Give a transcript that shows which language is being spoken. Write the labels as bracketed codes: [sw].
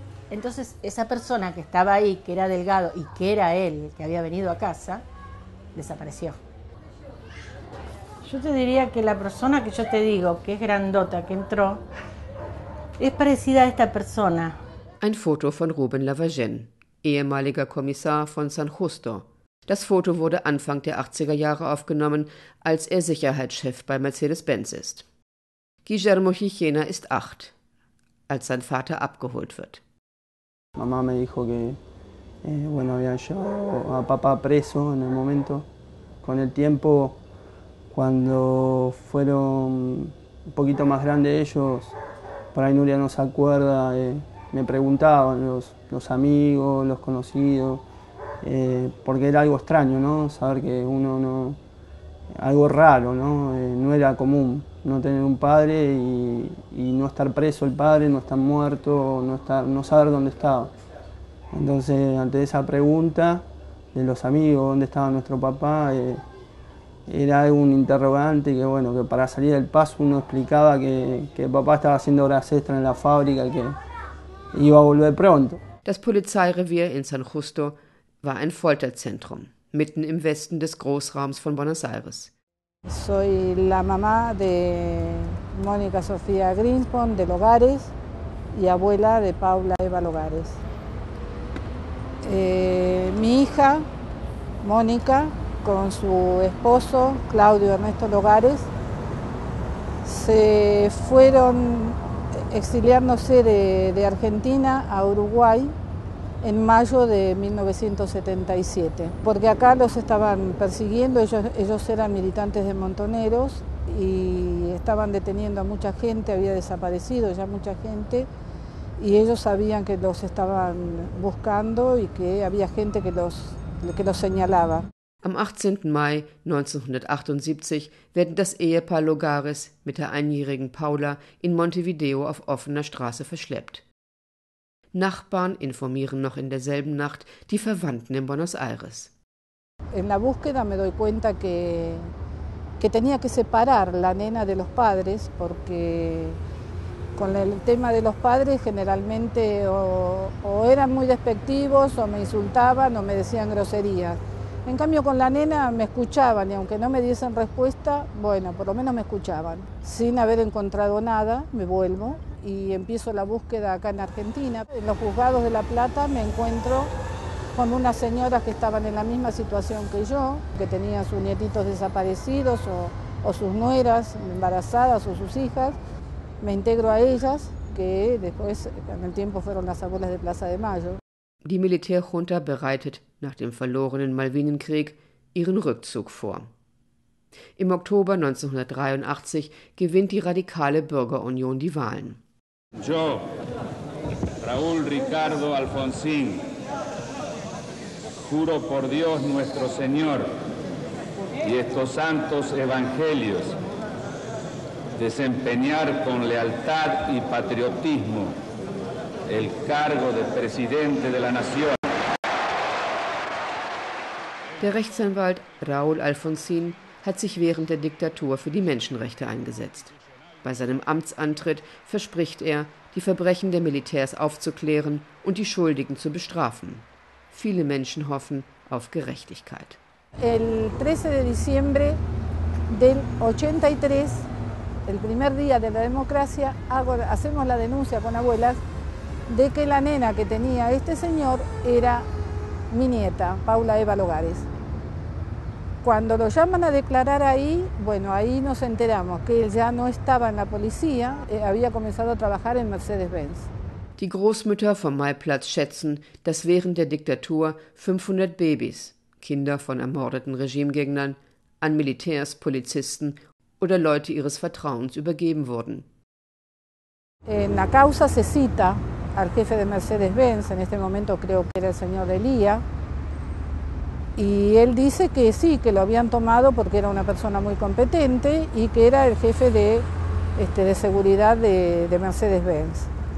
[es] Entonces, esa persona que estaba ahí, que era Delgado y que era él que había venido a casa, desapareció. Yo te diría que la persona que yo te digo, que es grandota, que entró, es parecida a esta persona. [de] Ein Foto von Ruben Lavagen, ehemaliger Kommissar von San Justo. Das Foto wurde Anfang der 80er Jahre aufgenommen, als er Sicherheitschef bei Mercedes-Benz ist. Guillermo Chichena ist 8, als sein Vater abgeholt wird. [es] Mama me dijo que bueno, había llevado a papá preso en el momento. Con el tiempo, cuando fueron un poquito más grandes ellos, por ahí Nuria no se acuerda, me preguntaban los amigos, los conocidos, porque era algo extraño, ¿no? Saber que uno no... algo raro, ¿no? No era común no tener un padre y no estar preso el padre, no estar muerto, no saber dónde estaba. Entonces, ante esa pregunta de los amigos, dónde estaba nuestro papá, era un interrogante que, bueno, que para salir del paso uno explicaba que papá estaba haciendo horas extras en la fábrica, que iba a volver pronto. [de] Das Polizeirevier in San Justo war ein Folterzentrum, mitten im Westen des Großraums von Buenos Aires. [es] Soy la mamá de Mónica Sofía Grinspon de Logares y abuela de Paula Eva Logares. Mi hija, Mónica, con su esposo, Claudio Ernesto Logares, se fueron exiliándose de Argentina a Uruguay en mayo de 1977, porque acá los estaban persiguiendo, ellos eran militantes de Montoneros y estaban deteniendo a mucha gente, había desaparecido ya mucha gente y ellos sabían que los estaban buscando y que había gente que los señalaba. [de] Am 18. Mai 1978 werden das Ehepaar Logares mit der einjährigen Paula in Montevideo auf offener Straße verschleppt. Nachbarn informieren noch in derselben Nacht die Verwandten in Buenos Aires. [es] En la búsqueda me doy cuenta que tenía que separar la nena de los padres porque con el tema de los padres generalmente o eran muy despectivos o me insultaban o me decían groserías. En cambio con la nena me escuchaban y aunque no me diesen respuesta, bueno, por lo menos me escuchaban. Sin haber encontrado nada, me vuelvo y empiezo la búsqueda acá en Argentina. En los juzgados de La Plata me encuentro con unas señoras que estaban en la misma situación que yo, que tenían sus nietitos desaparecidos o sus nueras embarazadas o sus hijas. Me integro a ellas, que después con el tiempo fueron las abuelas de Plaza de Mayo. [de] Die Militärjunta bereitet nach dem verlorenen Malvinenkrieg ihren Rückzug vor. Im Oktober 1983 gewinnt die radikale Bürgerunion die Wahlen. [es] Yo, Raúl Ricardo Alfonsín, juro por Dios nuestro Señor y estos santos evangelios, desempeñar con lealtad y patriotismo el cargo de presidente de la nación. [de] Der Rechtsanwalt Raúl Alfonsín hat sich während der Diktatur für die Menschenrechte eingesetzt. Bei seinem Amtsantritt verspricht er, die Verbrechen der Militärs aufzuklären und die Schuldigen zu bestrafen. Viele Menschen hoffen auf Gerechtigkeit. [es] El 13 de diciembre del 83, el primer día de la democracia, hacemos la denuncia con abuelas de que la nena que tenía este señor era mi nieta, Paula Eva Logares. Cuando lo llaman a declarar ahí, bueno, ahí nos enteramos que él ya no estaba en la policía, había comenzado a trabajar en Mercedes-Benz. [de] Die Großmütter vom Maiplatz schätzen, dass während der Diktatur 500 Babys, Kinder von ermordeten Regimegegnern, an Militärs, Polizisten oder Leute ihres Vertrauens übergeben wurden. [es] En la causa se cita al jefe de Mercedes-Benz, en este momento creo que era el señor Elía, y él dice que sí, que lo habían tomado porque era una persona muy competente y que era el jefe de seguridad de Mercedes-Benz.